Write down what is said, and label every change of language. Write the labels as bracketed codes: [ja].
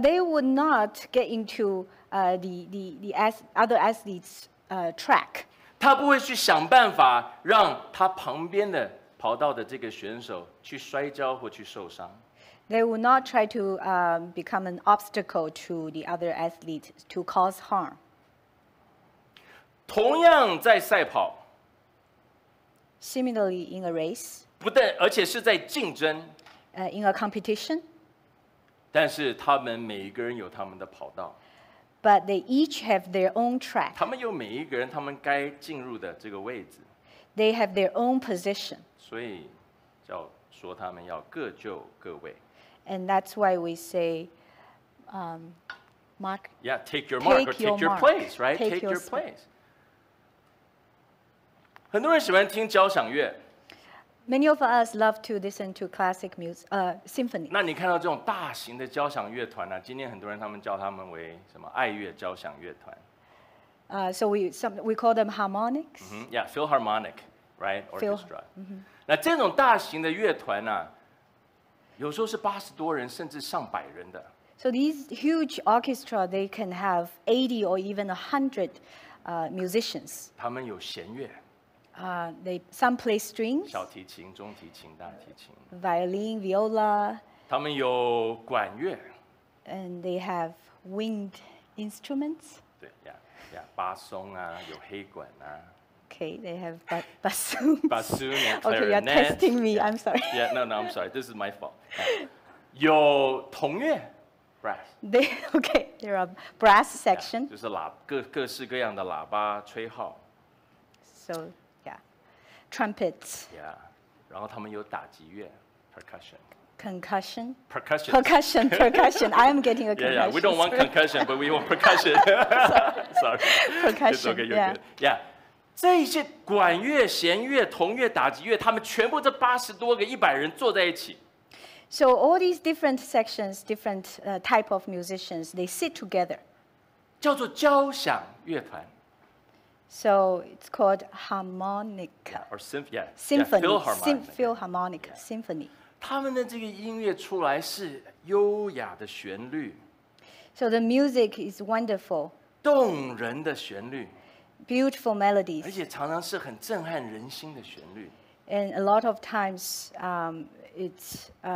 [en] they would not get into the other athletes' track. [zh] 他不会去想办法让他旁边的跑道的这个选手去摔跤或去受伤。 [en] They will not try to become an obstacle to the other athlete to cause harm. [zh] 同样在赛跑, [en] Similarly in a race. [zh] 不但, 而且是在竞争, [en] in a competition. [zh] 但是他们每一个人有他们的跑道, [en] but they each have their own track. [zh] 他们有每一个人他们该进入的这个位置, [en] they have their own position. [zh] 所以叫说他们要各就各位。 [en] And that's why we say, mark. Yeah, take your mark or take your place, right? Take your place. [zh] 很多人喜欢听交响乐。 [en] Many of us love to listen to classic music, symphony. [zh] 那你看到这种大型的交响乐团呢？今天很多人他们叫他们为什么爱乐交响乐团？ [en] So we call them harmonics. Mm-hmm. Yeah, Philharmonic, right? Orchestra. [zh] 那这种大型的乐团呢，有时候是80多人，甚至上百人的。 [en] So these huge orchestra, they can have 80 or even 100 musicians. [zh] 他们有弦乐。 [en] Some play strings. [zh] 小提琴、中提琴、大提琴。 [en] Violin, viola. [zh] 他们有管乐。 [en] And they have wind instruments. [zh] 对呀。 Yeah, 巴松啊，有黑管啊。 [en] Okay, they have bassoon. Bassoon and clarinet. Okay, you're testing me. Yeah. I'm sorry. Yeah, no, I'm sorry. This is my fault. Yeah. [zh] 有铜乐 [en] brass. There are brass section. [zh] Yeah, 就是各式各样的喇叭吹号。 [en] So, yeah, trumpets. [zh] Yeah, 然后他们有打击乐 percussion. [en] Concussion? Percussion. Percussion. Percussion. I am getting a concussion. Yeah, yeah. We don't want concussion, but we want percussion. Sorry. Percussion. It's okay, you're good. Yeah. [zh] 这些管乐、弦乐、铜乐、打击乐，他们全部这八十多个、一百人坐在一起。 [en] So all these different sections, different type of musicians, they sit together. [zh] 叫做交响乐团。 [en] So it's called harmonica. Yeah, or symphony. Yeah. Symphony. Yeah, Philharmonic. Philharmonic. Yeah. Symphony. [zh] 他们的这个音乐出来是优雅的旋律 [en] ，so the music is wonderful， [zh] 动人的旋律 [en] ，beautiful melodies， [zh] 而且常常是很震撼人心的旋律 [en] ，and a lot of times it's